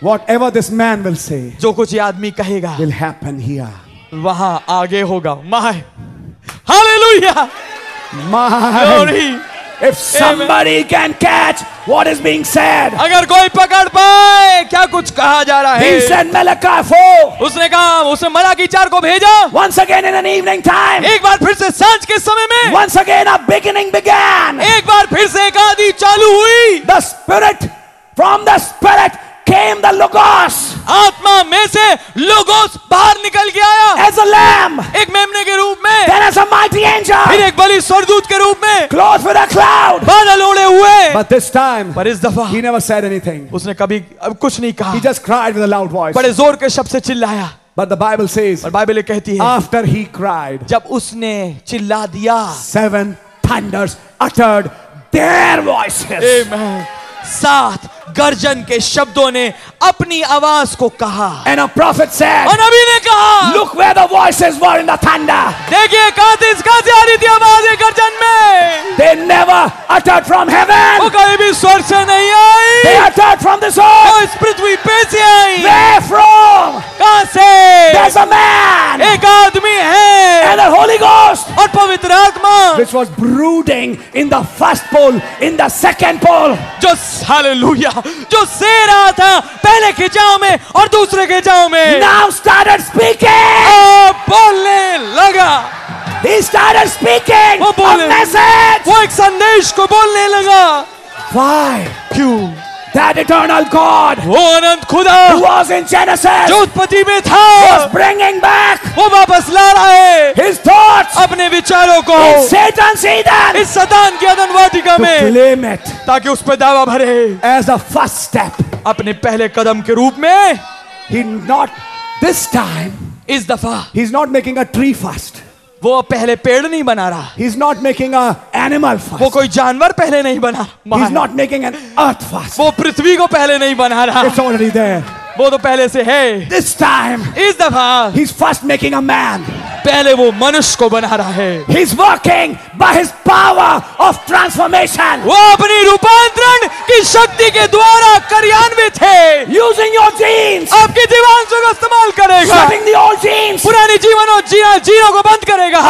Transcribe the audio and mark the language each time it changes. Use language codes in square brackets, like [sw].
[en] Whatever this man will say, [hi] जो कुछ ये आदमी कहेगा, [en] will happen here. [hi] वहाँ आगे होगा. [en] My, Hallelujah. My, glory. If somebody Amen. Can catch what is being said, [hi] अगर कोई पकड़ पाए क्या कुछ कहा जा रहा है. [en] He sent Malachi 4. [hi] उसने कहा, उसने मलाकी 4 को भेजा. [en] Once again in an evening time. [hi] एक बार फिर से सांझ के समय में. [en] Once again a beginning began. [hi] एक बार फिर से एक आदि चालू हुई. [en] The Spirit. From the Spirit came the Logos. [hi] आत्मा में से लोगोस बाहर निकल के आया. [en] As a lamb. [hi] एक मेमने के रूप में. [en] Then as a mighty angel. [hi] फिर एक बलि स्वर्गदूत के रूप में. [en] Clothed with a cloud. [hi] बादल उड़े हुए. [en] But this time. [hi] पर इस दफा. [en] He never said anything. [hi] उसने कभी कुछ नहीं कहा. [en] He just cried with a loud voice. [hi] बड़े जोर के शब्द से चिल्लाया. [en] But the Bible says. [hi] और बाइबल कहती है. [en] After he cried. [hi] जब उसने चिल्ला दिया. [en] Seven thunders uttered their voices. Amen. [hi] सात गर्जन के शब्दों ने अपनी आवाज को कहा. [en] And a prophet said, [hi] और नबी ने कहा, [en] Look where the voices were in the thunder. [hi] देखिए कहाँ से आ रही थी आवाज़ें गर्जन में. [en] They never uttered from heaven. [hi] वो कभी भी स्वर्ग से नहीं आई. [en] They uttered from this earth. [hi] वो इस पृथ्वी पे से आई. [en] Where from? [hi] कहाँ से? [en] There's a man. [hi] एक आदमी है. [en] And the Holy Ghost. [hi] और पवित्र आत्मा. [en] Which was brooding in the first pole, in the second pole. [hi] जो हालेलुया. जो से रहा था पहले खिंचाव में और दूसरे खिंचाव में. [en] Now started speaking. [hi] बोलने लगा. [en] He started speaking. [hi] वो बोले. [en] A message. [hi] वो एक संदेश को बोलने लगा. [en] Why? [hi] क्यों? [en] That eternal God. [hi] वो अनंत खुदा. [en] Who was in Genesis. [hi] जो उत्पत्ति में था. [en] Was bringing back. [hi] वो वापस ला रहा है. [en] His thoughts. [hi] अपने विचारों को. [en] In Satan's Eden. [hi] इस सतान की अदन वाटिका में. [en] To claim it. [hi] ताकि उस पे दावा भरे. [en] As a first step. [hi] अपने पहले कदम के रूप में. [en] He not this time. [hi] इस दफा. [en] He's not making a tree first. [hi] वो पहले पेड़ नहीं बना रहा. [en] He's not making a animal first. [hi] वो कोई जानवर पहले नहीं बना. [en] He's not making an earth first. [hi] वो पृथ्वी को पहले नहीं बना रहा. [en] It's already there. [hi] वो तो पहले से है. [en] This time. [hi] इस दफा. [en] He's first making a man. [hi] पहले वो मनुष्य को बना रहा है. [en] He's working by his power of transformation. [hi] वो अपनी रूपांतरण की शक्ति के द्वारा कार्यान्वित है. [en] Using your genes. [hi] आपके जीवांशों का इस्तेमाल करेगा. [en] Shutting the old genes. [hi] पुराने जीनों को बंद करेगा.